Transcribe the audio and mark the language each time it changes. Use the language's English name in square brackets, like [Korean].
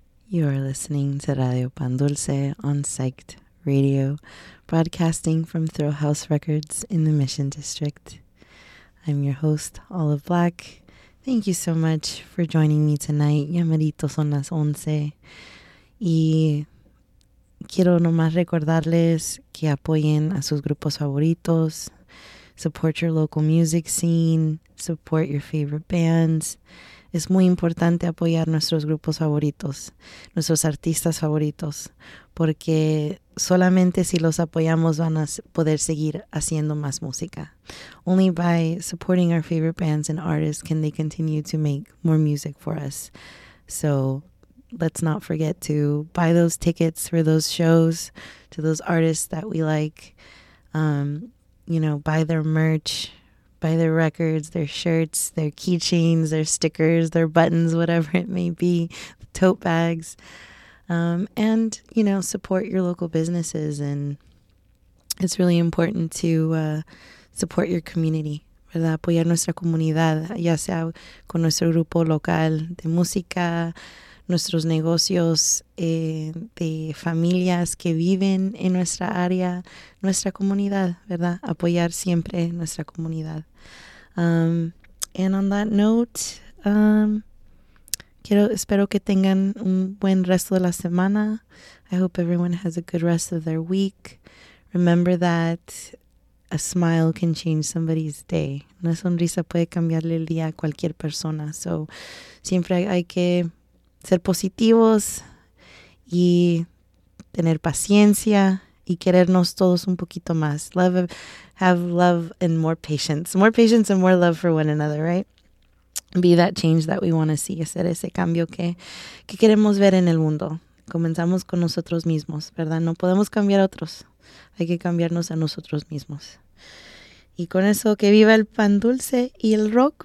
[English] You are listening to Radio Pan Dulce on Psyched Radio, broadcasting from Throw House Records in the Mission District. I'm your host, Olive Black. Thank you so much for joining me tonight. [Spanish] Ya merito son las 11. Y quiero nomás recordarles que apoyen a sus grupos favoritos. [English] Support your local music scene. Support your favorite bands. [Spanish] Es muy importante apoyar nuestros grupos favoritos, nuestros artistas favoritos, porque solamente si los apoyamos van a poder seguir haciendo más música. [English] Only by supporting our favorite bands and artists can they continue to make more music for us. So let's not forget to buy those tickets for those shows to those artists that we like. You know, buy their merch. Buy their records, their shirts, their keychains, their stickers, their buttons, whatever it may be, tote bags. And, you know, support your local businesses. And it's really important to support your community, [Spanish] ¿verdad? Apoyar nuestra comunidad, ya sea con nuestro grupo local de música, nuestros negocios de familias que viven en nuestra área, nuestra comunidad, ¿verdad? Apoyar siempre nuestra comunidad. [English] And on that note, [Spanish] espero que tengan un buen resto de la semana. [English] I hope everyone has a good rest of their week. Remember that a smile can change somebody's day. [Spanish] Una sonrisa puede cambiarle el día a cualquier persona. So, siempre hay que ser positivos y tener paciencia y querernos todos un poquito más. [English] Have love and more patience. More patience and more love for one another, right? Be that change that we want to see. [Spanish] Hacer ese cambio que queremos ver en el mundo. Comenzamos con nosotros mismos, ¿verdad? No podemos cambiar a otros. Hay que cambiarnos a nosotros mismos. Y con eso, que viva el pan dulce y el rock.